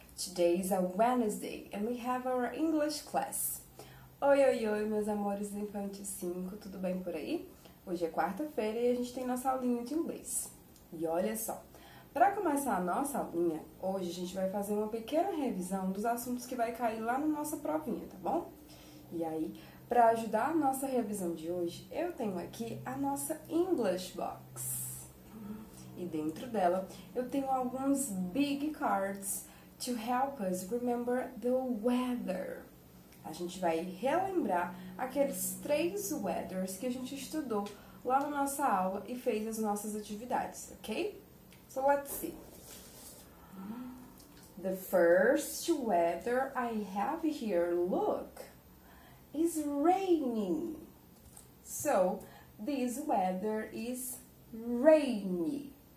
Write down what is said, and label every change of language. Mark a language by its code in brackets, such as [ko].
[en] Today is a Wednesday and we have our English class. [pt] Oi, oi, oi, meus amores do Infante 5, tudo bem por aí? Hoje é quarta-feira e a gente tem nossa aulinha de inglês. E olha só, para começar a nossa aulinha, hoje a gente vai fazer uma pequena revisão dos assuntos que vai cair lá na nossa provinha, tá bom? E aí, para ajudar a nossa revisão de hoje, eu tenho aqui a nossa English Box. E dentro dela, eu tenho alguns [en] big cards to help us remember the weather. [pt] A gente vai relembrar aqueles três weathers que a gente estudou lá na nossa aula e fez as nossas atividades, ok? [en] So, let's see. The first weather I have here, look, is raining. So, this weather is rainy.